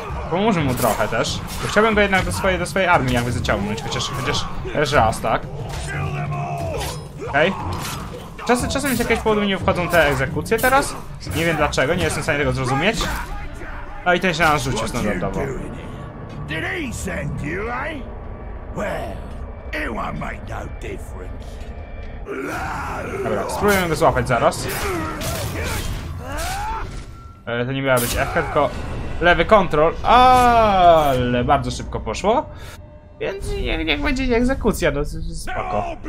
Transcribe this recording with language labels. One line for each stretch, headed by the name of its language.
Polish: Pomóżmy mu trochę też. Chciałbym go jednak do swojej armii jakby zaciągnąć, chociaż raz, tak? Okej. Okay. Czasem z jakiegoś powodu nie wchodzą te egzekucje teraz. Nie wiem dlaczego, nie jestem w stanie tego zrozumieć. No i ten się na nas rzucił standardowo.
English: Did he send you, eh? Well, it won't make no difference.
Polish: Dobra, spróbujemy go złapać zaraz. To nie miała być F, tylko lewy kontrol. Ale bardzo szybko poszło. Więc niech będzie egzekucja, no spoko.